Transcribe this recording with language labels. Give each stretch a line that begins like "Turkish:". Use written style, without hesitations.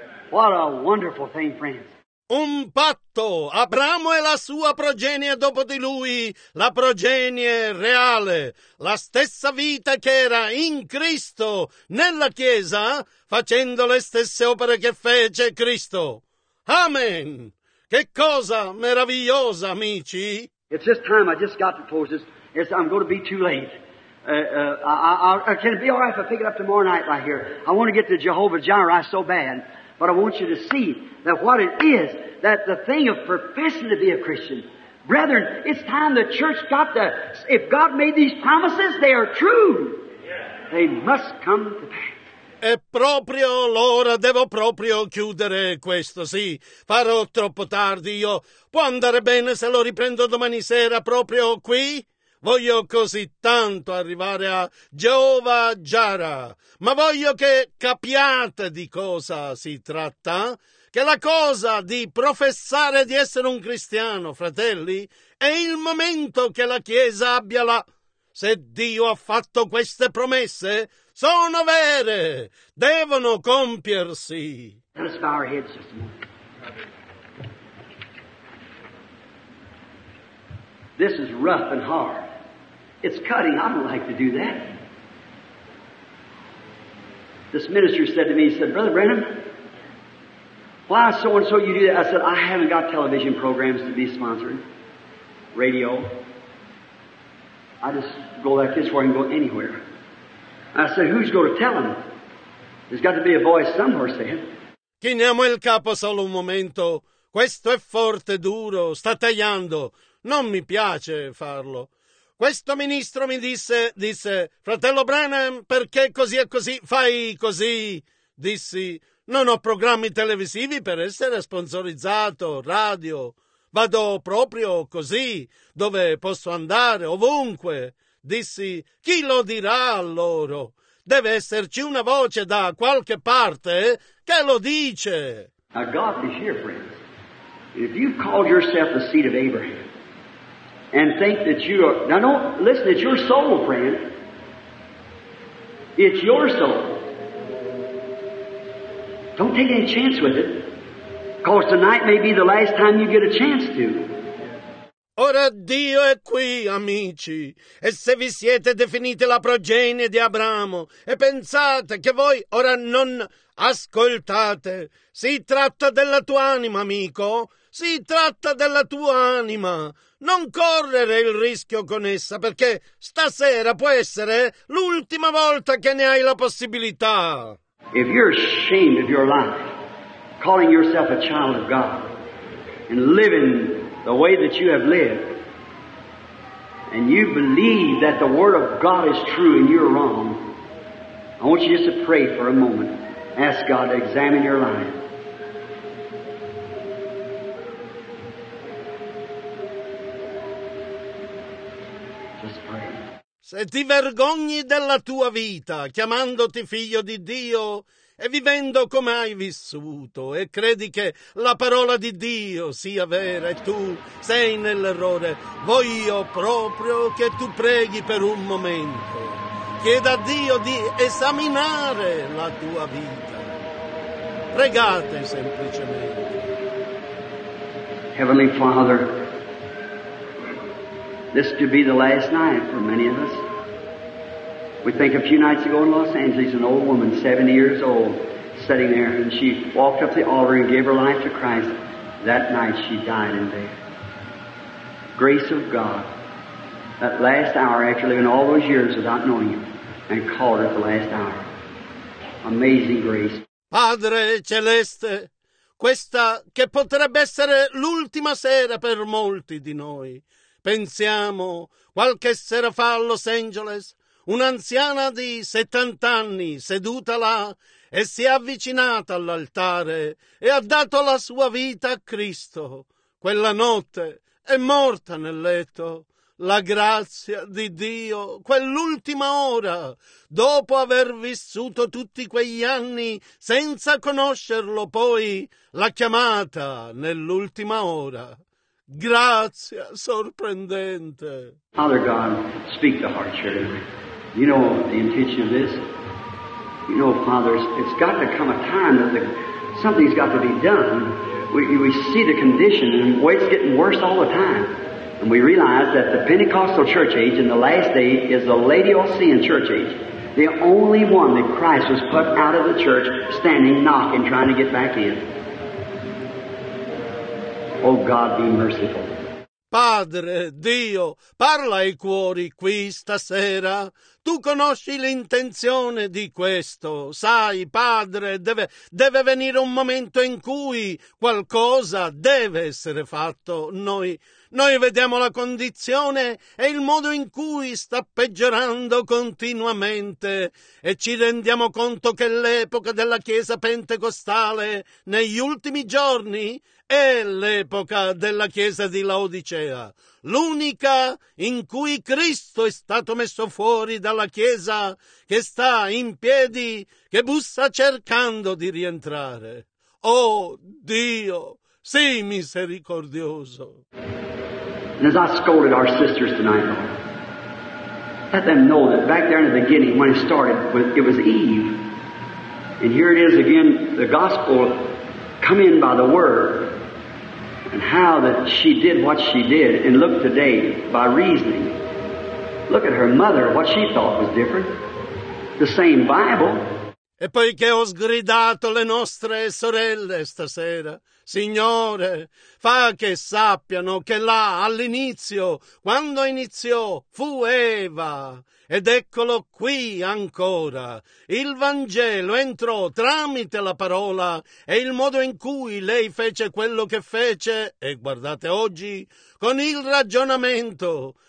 English: What a wonderful thing, friends.
Italian: Un patto, Abramo e la sua progenie dopo di lui, la progenie reale, la stessa vita che era in Cristo, nella Chiesa, facendo le stesse opere che fece Cristo. Amen. Che cosa meravigliosa, amici!
English: It's this time I just got to close this. Yes, I'm going to be too late. Can it be all right if I pick it up tomorrow night right here? I want to get to Jehovah Jireh so bad. But I want you to see that what it is, that the thing of professing to be a Christian. Brethren, it's time the church got to, if God made these promises, they are true. They must come to pass.
Italian: È proprio l'ora, devo proprio chiudere questo, sì, farò troppo tardi io. Può andare bene se lo riprendo domani sera proprio qui? Voglio così tanto arrivare a Jehovah Jireh, ma voglio che capiate di cosa si tratta, che la cosa di professare di essere un cristiano, fratelli, è il momento che la Chiesa abbia la... Se Dio ha fatto queste promesse... Sono vere! Devono compiersi!
English: Let us bow our heads just a moment. This is rough and hard. It's cutting. I don't like to do that. This minister said to me, he said, Brother Branham, why so-and-so you do that? I said, I haven't got television programs to be sponsored. Radio. I just go like this where I can go anywhere. I said, who's going to tell him? There's got to be a voice somewhere saying.
Italian: Chiniamo il capo solo un momento. Questo è forte, duro, sta tagliando. Non mi piace farlo. Questo ministro mi disse, fratello Branham, perché così e così? Fai così. Dissi, non ho programmi televisivi per essere sponsorizzato, radio. Vado proprio così, dove posso andare, ovunque. Dissi, chi lo dirà a loro? Deve esserci una voce da qualche parte che lo dice.
English: Now God is here, friends. If you've called yourself the seed of Abraham and think that you are... Now don't listen, it's your soul, friend. It's your soul. Don't take any chance with it. Because tonight may be the last time you get a chance to.
Italian: Ora Dio è qui, amici, e se vi siete definiti la progenie di Abramo e pensate che voi ora non ascoltate, si tratta della tua anima, amico, si tratta della tua anima. Non correre il rischio con essa, perché stasera può essere l'ultima volta che ne hai la possibilità.
English: If you're ashamed of your life, calling yourself a child of God, and living the way that you have lived, and you believe that the Word of God is true and you're wrong, I want you just to pray for a moment. Ask God to examine your life. Just pray.
Italian: Se ti vergogni della tua vita, chiamandoti figlio di Dio, e vivendo come hai vissuto, e credi che la parola di Dio sia vera, e tu sei nell'errore, voglio proprio che tu preghi per un momento. chieda a Dio di esaminare la tua vita. Pregate semplicemente.
English: Heavenly Father, this could be the last night for many of us. We think a few nights ago in Los Angeles, an old woman, 70 years old, sitting there, and she walked up the altar and gave her life to Christ. That night she died in bed. Grace of God, that last hour after living all those years without knowing you, and called her at the last hour. Amazing grace.
Italian: Padre Celeste, questa che potrebbe essere l'ultima sera per molti di noi. Pensiamo, qualche sera fa a Los Angeles, un'anziana di 70 anni seduta là e si è avvicinata all'altare e ha dato la sua vita a Cristo. Quella notte è morta nel letto. La grazia di Dio, quell'ultima ora, dopo aver vissuto tutti quegli anni senza conoscerlo, poi l'ha chiamata nell'ultima ora. Grazia sorprendente.
English: Father God, speak to heart, children. You know the intention of this. You know, Father, it's got to come a time that something's got to be done. We see the condition, and the way it's getting worse all the time. And we realize that the Pentecostal church age in the last day is the Laodicean church age. The only one that Christ was put out of the church, standing, knocking, trying to get back in. Oh God, be merciful.
Italian: Padre, Dio, parla ai cuori qui stasera. Tu conosci l'intenzione di questo. Sai, Padre, deve venire un momento in cui qualcosa deve essere fatto. Noi vediamo la condizione e il modo in cui sta peggiorando continuamente e ci rendiamo conto che l'epoca della Chiesa Pentecostale negli ultimi giorni è l'epoca della Chiesa di Laodicea, l'unica in cui Cristo è stato messo fuori dalla Chiesa che sta in piedi, che bussa cercando di rientrare. Oh Dio, sii misericordioso.
English: And as I scolded our sisters tonight, Lord, let them know that back there in the beginning when it started, it was Eve. And here it is again, the gospel come in by the word. And how that she did what she did, and look today by reasoning. Look at her mother, what she thought was different. The same Bible.
Italian: E poiché ho sgridato le nostre sorelle stasera, Signore, fa che sappiano che là all'inizio, quando iniziò, fu Eva. Ed eccolo qui ancora. Il Vangelo entrò tramite la parola e il modo in cui lei fece quello che fece, e guardate oggi, con il ragionamento.